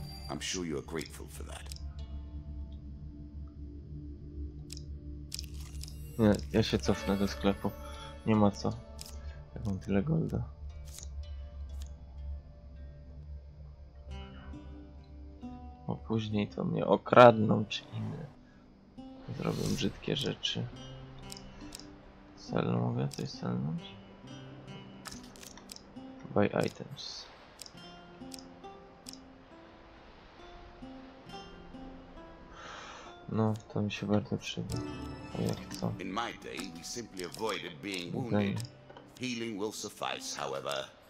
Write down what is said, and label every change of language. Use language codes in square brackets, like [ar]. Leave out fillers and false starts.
[en] I'm sure you are grateful for that. [pl] Nie, ja się cofnę do sklepu. Nie ma co. Jak mam tyle golda. Bo później to mnie okradną czy inne. Zrobią brzydkie rzeczy. Sell, mogę coś sellnąć? [en] Buy items. [pl] No, to mi się bardzo przyda. A jak co? [en] In my day we simply avoided being wounded. Healing will suffice, however.